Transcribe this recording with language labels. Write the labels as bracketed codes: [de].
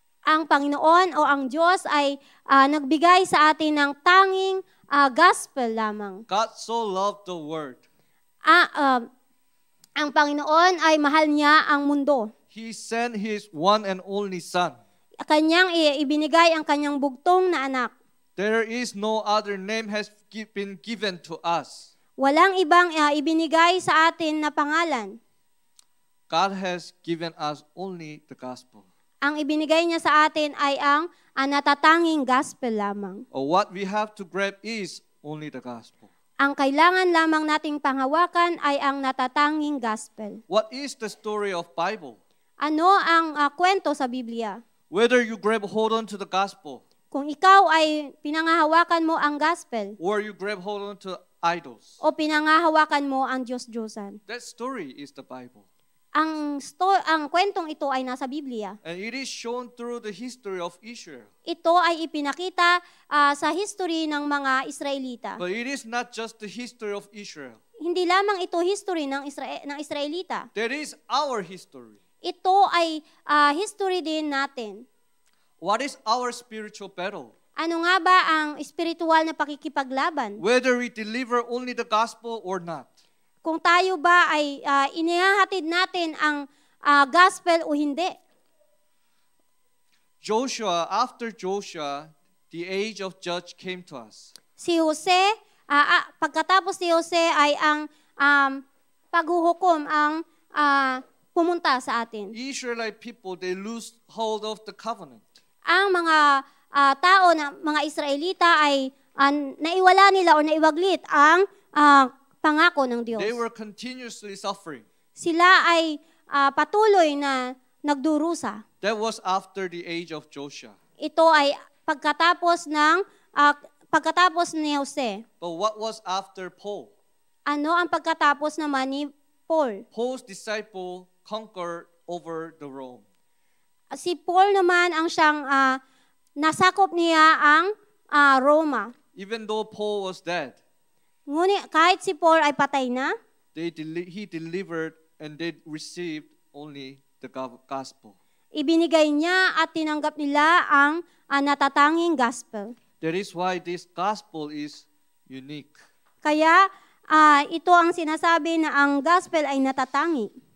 [tl] Ang Panginoon o ang Diyos ay nagbigay sa atin ng tanging gospel lamang. [en] God so loved the world. [tl] Ang Panginoon ay mahal niya ang mundo. [en] He sent His one and only Son. [tl] Kanyang ibinigay ang kanyang bugtong na anak. [en] There is no other name has been given to us. [tl] Walang ibang ibinigay sa atin na pangalan. [en] God has given us only the gospel. [tl] Ang ibinigay niya sa atin ay ang natatanging gospel lamang. [en] Or what we have to grab is only the gospel. [tl] Ang kailangan lamang nating panghawakan ay ang natatanging gospel. [en] What is the story of Bible? [tl] Ano ang kwento sa Biblia? [en] Whether you grab hold on to the gospel. [tl] Kung ikaw ay pinangahawakan mo ang gospel. [en] Or you grab hold on to idols. [tl] O pinangahawakan mo ang Diyos-Diyosan. [en] That story is the Bible. [tl] Ang kwentong ito ay nasa Biblia. [en] And it is shown through the history of Israel. [tl] Ito ay ipinakita sa history ng mga Israelita. [en] But it is not just the history of Israel. [tl] Hindi lamang ito history ng Israelita. [en] That is our history. [tl] Ito ay history din natin. [en] What is our spiritual battle? [tl] Ano nga ba ang espiritual na pakikipaglaban? [en] Whether we deliver only the gospel or not. [tl] Kung tayo ba ay inihahatid natin ang gospel o hindi. [en] Joshua, after Joshua, the age of judge came to us. [tl] Si Jose, pagkatapos ni Jose ay ang paghuhukom ang pumunta sa atin. [en] Israelite people, they lose hold of the covenant. [tl] Ang mga tao na mga Israelita ay naiwala nila o naiwaglit ang pangako ng Diyos. [en] They were continuously suffering. [tl] Sila ay patuloy na nagdurusa. [en] That was after the age of Joshua. [tl] Ito ay pagkatapos ni Jose. [en] But what was after Paul? [tl] Ano ang pagkatapos naman ni Paul? [en] Paul's disciple conquered over the Rome. [tl] Si Paul naman ang siyang nasakop niya ang Roma. [en] Even though Paul was dead. [tl] Ngunit kahit si Paul ay patay na, [en] he delivered and they received only the gospel. [tl] Ibinigay niya at tinanggap nila ang natatanging gospel. [en] That is why this gospel is unique. [tl] Kaya ito ang sinasabi na ang gospel ay natatangi.